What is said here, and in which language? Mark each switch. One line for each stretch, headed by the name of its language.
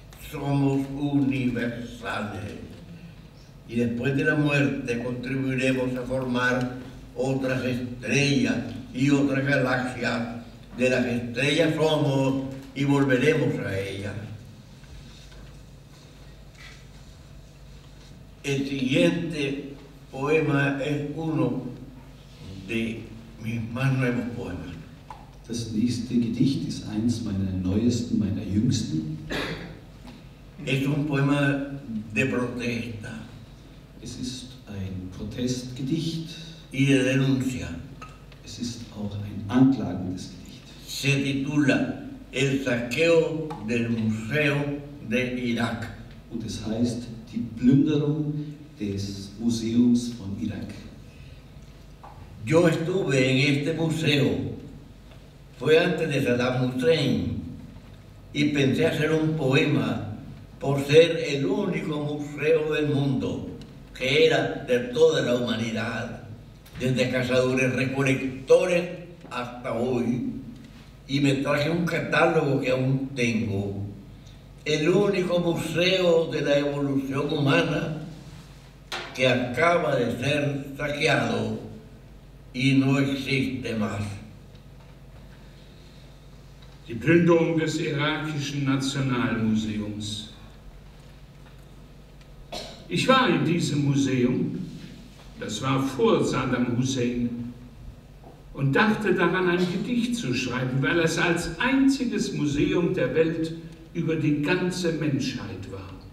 Spanish: Somos universales. Y después de la muerte contribuiremos a formar otras estrellas y otras galaxias. De las estrellas somos y volveremos a ellas. El siguiente poema es uno de mis más nuevos poemas.
German: Das nächste Gedicht ist eins meiner neuesten, meiner jüngsten.
Spanish: Es un poema de protesta.
German: Es ist ein Protestgedicht.
Spanish: Y de denuncia.
German: Es ist auch ein anklagendes Gedicht.
Spanish: Se titula El saqueo del Museo de Irak.
German: Und es heißt Die Plünderung des Museums von Irak.
Spanish: Yo estuve en este museo, fue antes de Saddam Hussein, y pensé hacer un poema por ser el único museo del mundo que era de toda la humanidad, desde cazadores recolectores hasta hoy, y me traje un catálogo que aún tengo, el único museo de la evolución humana que acaba de ser saqueado y no existe más.
German: Die Plünderung des irakischen Nationalmuseums. Ich war in diesem Museum, das war vor Saddam Hussein, und dachte daran, ein Gedicht zu schreiben, weil es als einziges Museum der Welt über die ganze Menschheit war.